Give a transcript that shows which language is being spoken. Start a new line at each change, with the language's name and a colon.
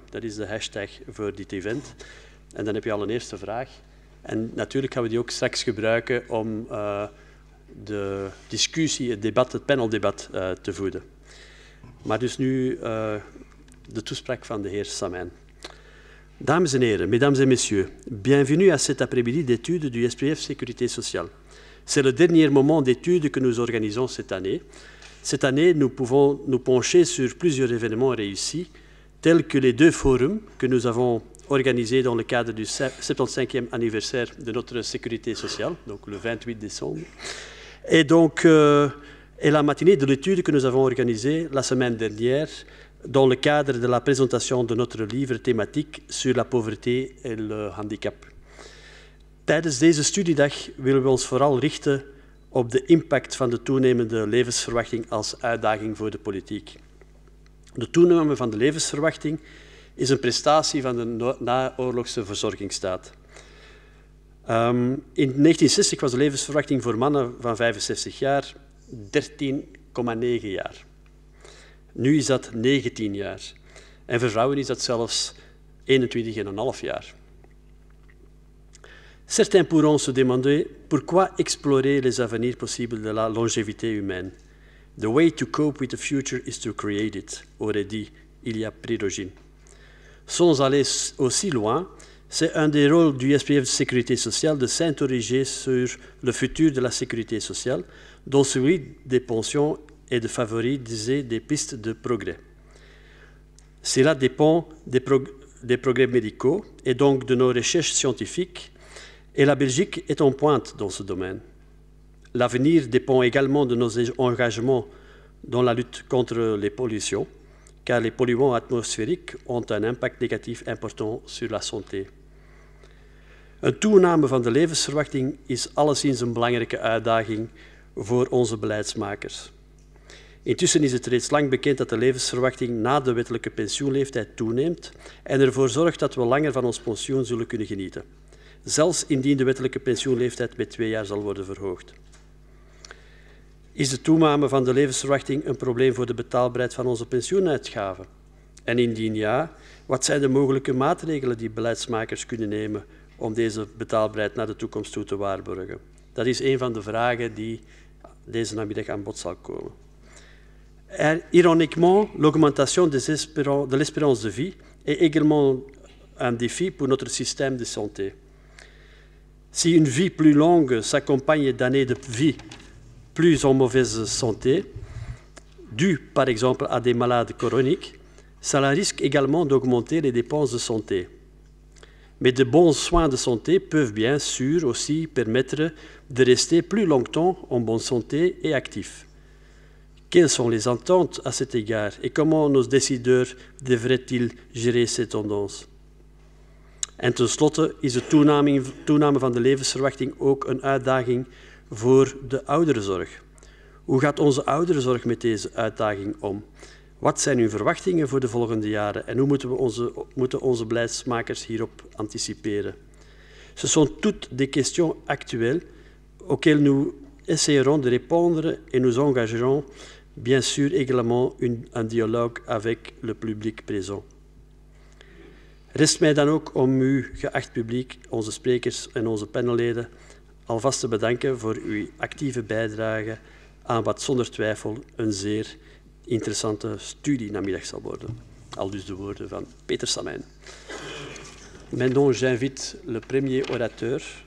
Dutch: Dat is de hashtag voor dit event. En dan heb je al een eerste vraag. En natuurlijk gaan we die ook straks gebruiken om de discussie, het debat, het paneldebat te voeden. Maar dus nu de toespraak van de heer Samijn. Dames en heren,
French: mesdames et messieurs, bienvenue à cet après-midi d'études du SPF Sécurité Sociale. C'est le dernier moment d'étude que nous organisons cette année. Cette année, nous pouvons nous pencher sur plusieurs événements réussis, tels que les deux forums que nous avons organisés dans le cadre du 75e anniversaire de notre sécurité sociale, donc le 28 décembre, et la matinée de l'étude que nous avons organisée la semaine dernière dans le cadre de la présentation de notre livre thématique sur la pauvreté et le handicap.
Dutch: Tijdens deze studiedag willen we ons vooral richten op de impact van de toenemende levensverwachting als uitdaging voor de politiek. De toename van de levensverwachting is een prestatie van de naoorlogse verzorgingsstaat. In 1960 was de levensverwachting voor mannen van 65 jaar 13,9 jaar. Nu is dat 19 jaar. En voor vrouwen is dat zelfs 21,5 jaar.
French: Certains pourront se demander pourquoi explorer les avenirs possibles de la longévité humaine.
English: The way to cope with the future is to create it,
French: aurait dit
English: Ilia Prigojin.
French: Sans aller aussi loin, c'est un des rôles du SPF de sécurité sociale de s'interroger sur le futur de la sécurité sociale, dont celui des pensions et de favoriser des pistes de progrès. Cela dépend des progrès médicaux et donc de nos recherches scientifiques. Et la Belgique est en pointe dans ce domaine. L'avenir dépend également de nos engagements dans la lutte contre les pollutions, car les polluants atmosphériques ont un impact négatif important sur la santé.
Dutch: Een toename van de levensverwachting is alleszins een belangrijke uitdaging voor onze beleidsmakers. Intussen is het reeds lang bekend dat de levensverwachting na de wettelijke pensioenleeftijd toeneemt en ervoor zorgt dat we langer van ons pensioen zullen kunnen genieten. Zelfs indien de wettelijke pensioenleeftijd met 2 jaar zal worden verhoogd. Is de toename van de levensverwachting een probleem voor de betaalbaarheid van onze pensioenuitgaven? En indien ja, wat zijn de mogelijke maatregelen die beleidsmakers kunnen nemen om deze betaalbaarheid naar de toekomst toe te waarborgen? Dat is een van de vragen die deze namiddag aan bod zal komen.
French: Ironiquement, l'augmentation de l'espérance de vie est également un défi pour notre système de santé. Si une vie plus longue s'accompagne d'années de vie plus en mauvaise santé, due par exemple à des malades chroniques, cela risque également d'augmenter les dépenses de santé. Mais de bons soins de santé peuvent bien sûr aussi permettre de rester plus longtemps en bonne santé et actif. Quelles sont les ententes à cet égard et comment nos décideurs devraient-ils gérer ces tendances?
Dutch: En tenslotte is de toename van de levensverwachting ook een uitdaging voor de ouderenzorg. Hoe gaat onze ouderenzorg met deze uitdaging om? Wat zijn hun verwachtingen voor de volgende jaren en hoe moeten onze beleidsmakers hierop anticiperen?
French: Ce sont toutes des questions actuelles auxquelles nous essayerons de répondre et nous engagerons bien sûr également un dialogue avec le public présent.
Dutch: Rest mij dan ook om u, geacht publiek, onze sprekers en onze panelleden, alvast te bedanken voor uw actieve bijdrage aan wat zonder twijfel een zeer interessante studienamiddag zal worden. Al dus de woorden van Peter Samijn.
French: Maintenant, j'invite le premier orateur.